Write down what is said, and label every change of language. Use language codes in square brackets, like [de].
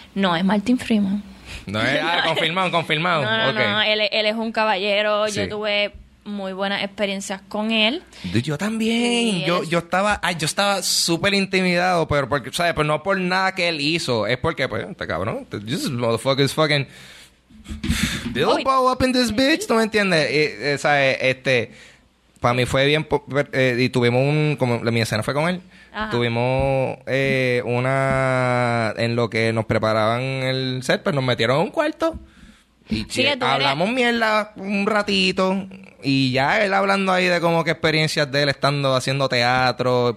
[es] No es Martin Freeman. No es confirmado. No. Él es un caballero. Sí. Yo tuve muy buenas experiencias con él. Yo también. Yo estaba súper intimidado, pero porque, ¿sabes? Pero no por nada que él hizo. Es porque, pues, este cabrón. [en] This motherfucker is fucking dildo up in this bitch. [es] ¿Tú me entiendes? Para mí fue bien. Y tuvimos un. Como mi escena fue con él. Ajá. Tuvimos una... En lo que nos preparaban el set, pues nos metieron a un cuarto. Y sí, che, hablamos mierda un ratito. Y ya él hablando ahí de como que experiencias de él estando haciendo teatro.